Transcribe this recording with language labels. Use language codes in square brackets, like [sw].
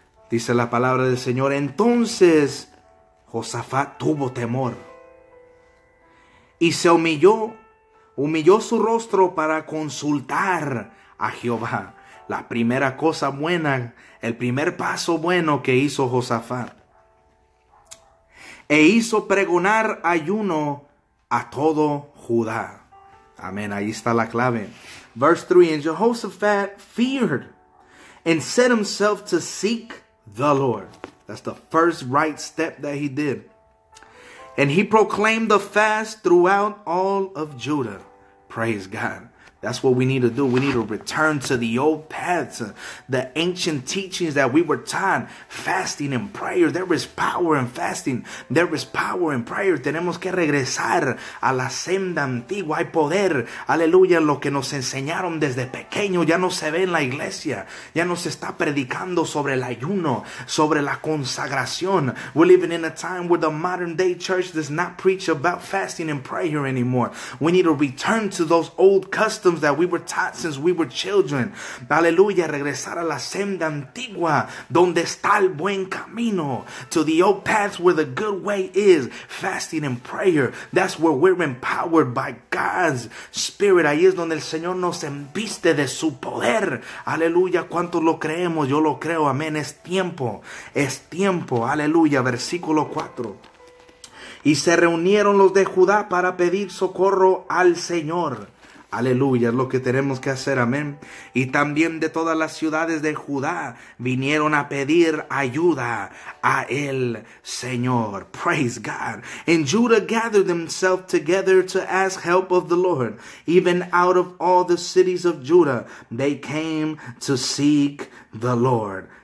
[es] Dice la palabra del Señor: entonces Josafat tuvo temor y se humilló su rostro para consultar a Jehová. La primera cosa buena, el primer paso bueno que hizo Josafat, e hizo pregonar ayuno a todo Judá. Amén, ahí está la clave. [en] Verse 3, and Jehoshaphat feared and set himself to seek the Lord. That's the first right step that he did. And he proclaimed the fast throughout all of Judah. Praise God. That's what we need to do. We need to return to the old paths, the ancient teachings that we were taught. Fasting and prayer. There is power in fasting. There is power in prayer. [es] Tenemos que regresar a la senda antigua. Hay poder. Aleluya. Lo que nos enseñaron desde pequeño ya no se ve en la iglesia. Ya no se está predicando sobre el ayuno, sobre la consagración. [en] We're living in a time where the modern day church does not preach about fasting and prayer anymore. We need to return to those old customs that we were taught since we were children. [es] Aleluya, regresar a la senda antigua, donde está el buen camino, [en] to the old paths where the good way is, fasting and prayer. That's where we're empowered by God's Spirit. [es] Ahí es donde el Señor nos embiste de su poder. Aleluya, ¿cuántos lo creemos? Yo lo creo, amén. Es tiempo. Aleluya, versículo 4. Y se reunieron los de Judá para pedir socorro al Señor. Aleluya, es lo que tenemos que hacer, amén. Y también de todas las ciudades de Judá vinieron a pedir ayuda a el Señor. [en] Praise God. And Judah gathered themselves together to ask help of the Lord. Even out of all the cities of Judah, they came to seek the Lord.